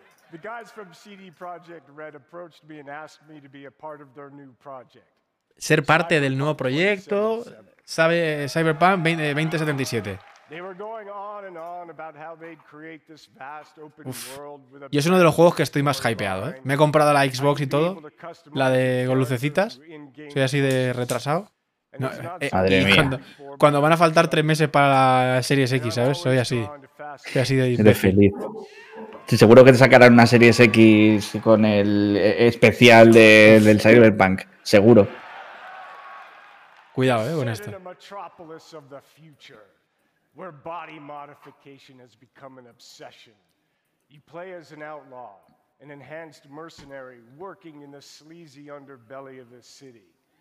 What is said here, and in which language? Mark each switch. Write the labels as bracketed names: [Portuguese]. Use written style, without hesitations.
[English] The guys from CD Projekt Red approached me and asked me to be a part of their new project. [Spanish] Ser parte del nuevo proyecto, sabe, Cyberpunk 2077. [English] They were going on and on about how they'd create this vast open world with a... [Spanish] Y es uno de los juegos que estoy más hypeado, ¿eh? Me he comprado la Xbox y todo, la de con lucecitas. Soy así de retrasado. No, madre mía. Cuando van a faltar 3 meses para la Series X, ¿sabes? Soy así de imbécil. Feliz. Sí, seguro que te sacarán una Series X con el especial del Cyberpunk. Seguro. Cuidado, con esto. [English] In a metropolis of the future, where body modification has become an obsession. You play as an outlaw, an enhanced mercenary working in the sleazy underbelly of the city.